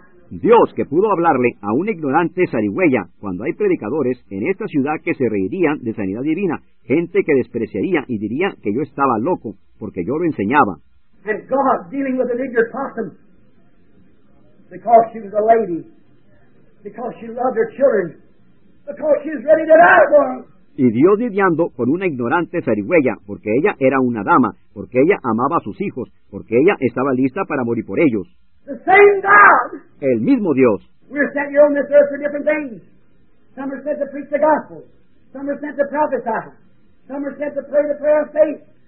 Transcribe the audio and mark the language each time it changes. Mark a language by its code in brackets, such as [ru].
[es] Dios que pudo hablarle a un ignorante zarigüeya cuando hay predicadores en esta ciudad que se reirían de sanidad divina, gente que despreciaría y diría que yo estaba loco porque yo lo enseñaba. [en] And God dealing with an ignorant possum because she was a lady, because she loved her children, because she was ready to die for them. [es] Y Dios lidiando con una ignorante zarigüeya, porque ella era una dama, porque ella amaba a sus hijos, porque ella estaba lista para morir por ellos. [en] The same God. [es] El mismo Dios. [en] We're sent here on this earth for different things. Some are sent to preach the gospel. Some are sent to prophesy. Some are sent to pray the prayer of faith.